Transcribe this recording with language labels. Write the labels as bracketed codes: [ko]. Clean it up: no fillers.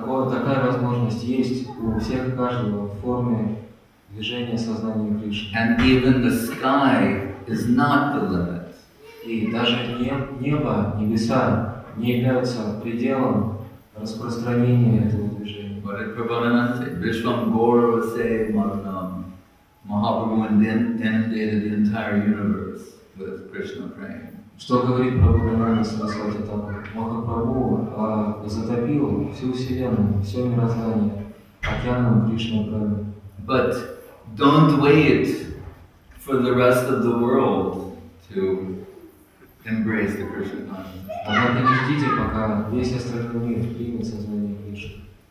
[ru] Такая возможность есть у всех и каждого в форме движения сознания Кришны. [en] And even the sky is not the limit. [ru] И даже небо, небеса не являются пределом распространения этого движения. [en] What did Prabhupada Vishwam Gaurav say, Madhanam? Mahaprabhu inundated the entire universe with Krishna praying. [ru] Что говорит Прабхупада Сарасвати Тхакур? Махапрабху затопил всю вселенную, все мироздание океаном Кришны Прайм. [en] But don't wait for the rest of the world to embrace the Krishna consciousness. [ru] Однако не ждите, пока весь остальной мир примет сознание Кришны.